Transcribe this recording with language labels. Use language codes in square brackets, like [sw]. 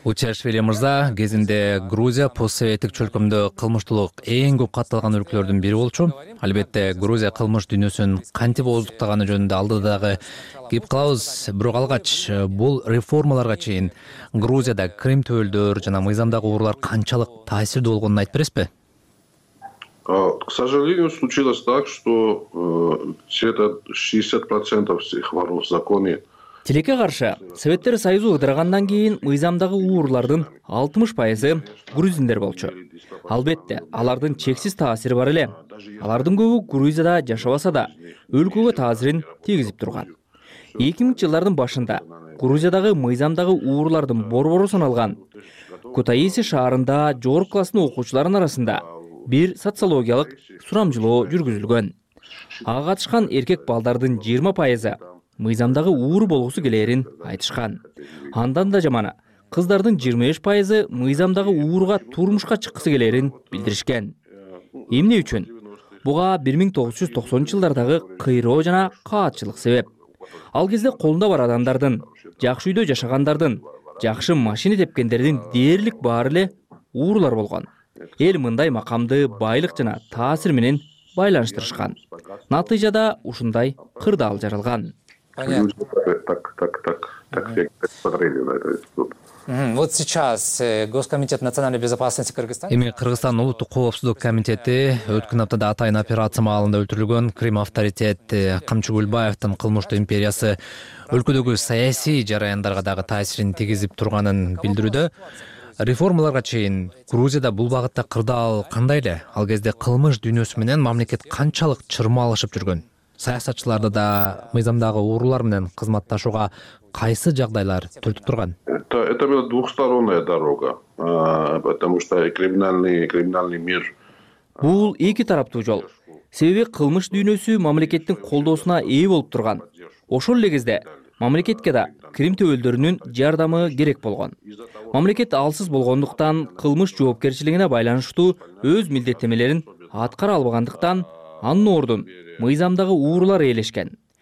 [ky] Утиашвили мырза, кезинде Грузия постсоветтик чөлкөмдө кылмыштуулук эң көп катталган өлкөлөрдүн бири болчу. Албетте, Грузия кылмыш дүйнөсүн кантип ооздуктаганы жөнүндө алдыдагы кеп калабыз. Бирок алгач бул реформаларга чейин Грузияда крим төбөлдөр жана мыйзамдагы уурлар канчалык таасирдүү болгонун айтып бересизби? [ru] К сожалению, случилось так, что где-то 60% всех воров в законе. [ky] Тилекке каршы, Советтер Союзу ыдыргандан кийин мыйзамдагы уурлардын 60% грузиндер болчу. Албетте, алардын чексиз таасири бар эле. Алардын көбү Грузияда жашабаса да, өлкөгө таасирин тийгизип турган. 2000 жылдардын башында Грузиядагы мыйзамдагы уурлардын борбору саналган Кутаиси шаарында жогорку класстын окуучуларынын арасында бир социологиялык сурамжылоо жүргүзүлгөн. Ага катышкан эркек балдардын 20% мыйзамдагы уур болгусу келерин айтышкан. Андан да жаманы, кыздардын 25% мыйзамдагы уурга турмушка чыккысы келерин билдиришкен. Эмне үчүн? Буга 1990 жылдардагы кыйроо жана каатчылык себеп. Ал кезде колунда бар адамдардын, жакшы үйдө жашагандардын, жакшы машина тепкендердин дээрлик баары эле уурлар болгон. Эл мындай макамды байлык жана таасир менен байланыштырышкан. Натыйжада ушундай кырдаал жаралган. [ru] Вот сейчас Госкомитет национальной безопасности Кыргызстан. [ky] Эми Кыргызстан улуттук коопсуздук комитети өткөн аптада атайын операция маалында өлтүрүлгөн крим авторитет Камчы Көлбаевдин кылмыштуу империясы өлкөдөгү саясий жараяндарга дагы таасирин тийгизип турганын билдирүүдө. Реформаларга чейин Грузияда бул багытта кырдаал кандай эле? Ал кезде кылмыш дүйнөсү менен мамлекет канчалык чырмалышып жүргөн? Саясатчыларды да мыйзамдагы уурлар менен кызматташууга кайсы жагдайлар түртүп турган? [ru] Это была двухсторонняя дорога, потому что криминальный мир. [ky] Бул эки тараптуу жол. Себеби кылмыш дүйнөсү мамлекеттин колдоосуна ээ болуп турган. Ошол эле кезде мамлекетке да крим төбөлдөрүнүн жардамы керек болгон. Мамлекет алсыз болгондуктан, кылмыш жоопкерчилигине байланыштуу өз милдеттемелерин аткара албагандыктан анын ордун мыйзамдагы уурлар ээлешкен.